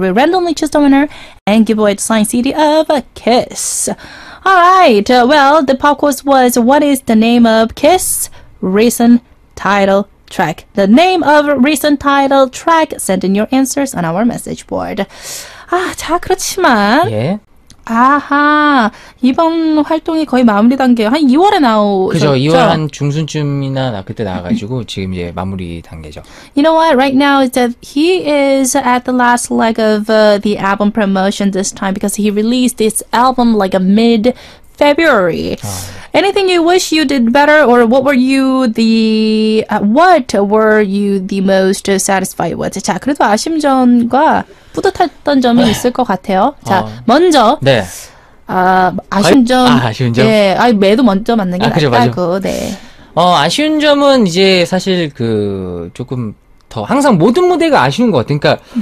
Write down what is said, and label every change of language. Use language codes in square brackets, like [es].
[en] We randomly choose the winner and give away the signed CD of KIXS. Alright, well, the pop quiz was what is the name of KIXS recent title track? The name of recent title track, send in your answers on our message board. [ko] 아, 자, 그렇지만. 예. 아하. 이번 활동이 거의 마무리 단계예요. 한 2월에 나오셨죠? 2월 한 중순쯤이나 그때 나와가지고 지금 이제 마무리 단계죠. [en] You know what? Right now is that he is at the last leg of the album promotion this time because he released this album like a mid-February. [ko] 아. [en] Anything you wish you did better or what were you the what were you the most satisfied with? [ko] 자, 그래도 아쉬움과 뿌듯했던 점이 있을 것 같아요. 자, 먼저 네. 아쉬운 점. 네. 아, 매도 먼저 맞는 게 낫다고. 네. 아쉬운 점은 이제 사실 그 조금 더 항상 모든 무대가 아쉬운 것 같아요.